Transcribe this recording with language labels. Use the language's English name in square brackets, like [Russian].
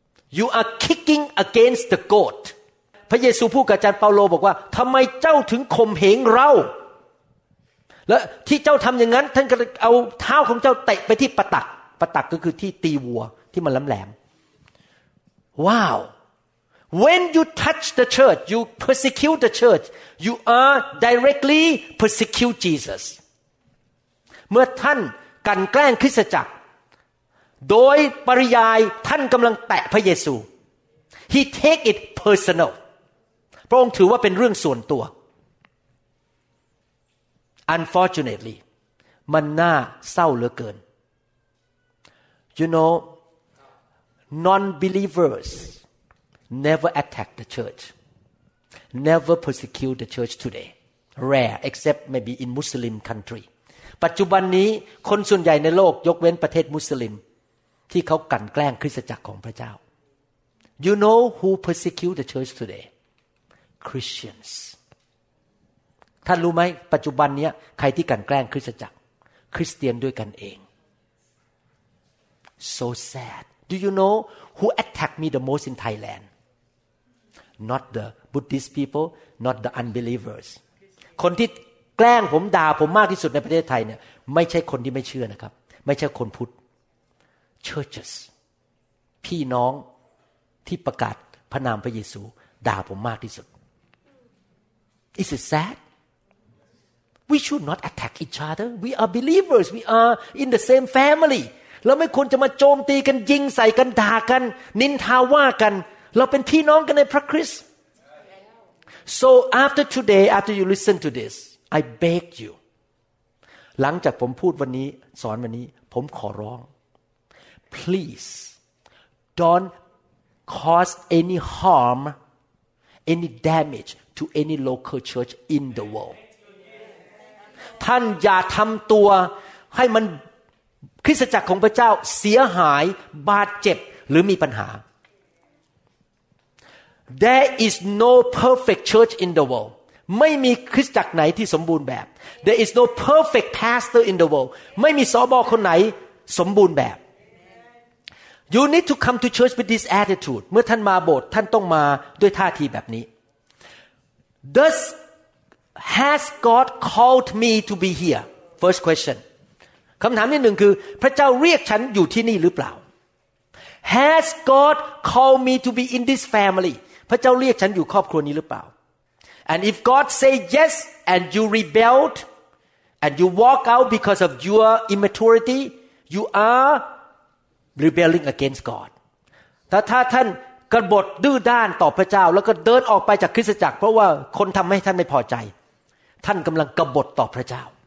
[English] You are kicking against the goat. [Thai] พระเยซูพูดกับอาจารย์เปาโลบอกว่าทำไมเจ้าถึงข่มเหงเราและที่เจ้าทำอย่างนั้นท่านก็เอาเท้าของเจ้าเตะไปที่ปะตักปะตักก็คือที่ตีวัวที่มันแหลมแหลม Wow, [English] When you touch the church, you persecute the church. You are directly persecute Jesus. [Thai] เมื่อท่านกันแกล้งคริสตจักรโดยปริยายท่านกำลังแตะพระเยซู [English] He take it personal. [Thai] พระองค์ถือว่าเป็นเรื่องส่วนตัว Unfortunately, มันน่าเศร้าเหลือเกิน [English] You know, non-believers never attack the church, never persecute the church today. Rare, except maybe in Muslim country. [Thai] ปัจจุบันนี้คนส่วนใหญ่ในโลกยกเว้นประเทศมุสลิมที่เขากลั่นแกล้งคริสตจักรของพระเจ้า [English] You know who persecute the church today? Christians. [Thai] ท่านรู้ไหมปัจจุบันนี้ใครที่กลั่นแกล้งคริสตจักรคริสเตียนด้วยกันเอง [English] So sad. Do you know who attacked me the most in Thailand? Not the Buddhist people, not the unbelievers. [Thai] คนที่แกล้งผมด่าผมมากที่สุดในประเทศไทยเนี่ยไม่ใช่คนที่ไม่เชื่อนะครับไม่ใช่คนพุทธ [English] Churches. [Thai] พี่น้องที่ประกาศพระนามพระเยซูด่าผมมากที่สุด [English] Is it sad? We should not attack each other. We are believers. We are in the same family. [Thai] เราไม่ควรจะมาโจมตีกันยิงใส่กันด่ากันนินทาว่ากันเราเป็นพี่น้องกันในพระคริสต์ [English] So after today, after you listen to this, I beg you. [Thai] หลังจากผมพูดวันนี้สอนวันนี้ผมขอร้อง [English] Please, don'tcause any harm, any damage to any local church in the world. [Thai] ท่านอย่าทำตัวให้มันคริสตจักรของพระเจ้าเสียหายบาดเจ็บหรือมีปัญหา [English] There is no perfect church in the world. [Thai] ไม่มีคริสตจักรไหนที่สมบูรณ์แบบ [English] There is no perfect pastor in the world. [Thai] ไม่มีสบคนไหนสมบูรณ์แบบ [English] You need to come to church with this attitude. [Thai] เมื่อท่านมาโบสถ์ท่านต้องมาด้วยท่าทีแบบนี้ [English] Does has God called me to be here? First question. [Thai] คำถามที่หนึ่งคือพระเจ้าเรียกฉันอยู่ที่นี่หรือเปล่า [English] Has God called me to be in this family? [Thai] พระเจ้าเรียกฉันอยู่ครอบครัวนี้หรือเปล่า [English] And if God say yes and you rebelled and you walk out because of your immaturity, you arerebelling against God. [Thai] ถ้าท่านกบฏดื้อด้านต่อพระเจ้าแล้วก็เดินออกไปจากคริสตจักรเพราะว่าคนทำให้ท่านไม่พอใจท่านกำลังกบฏต่อพระเจ้า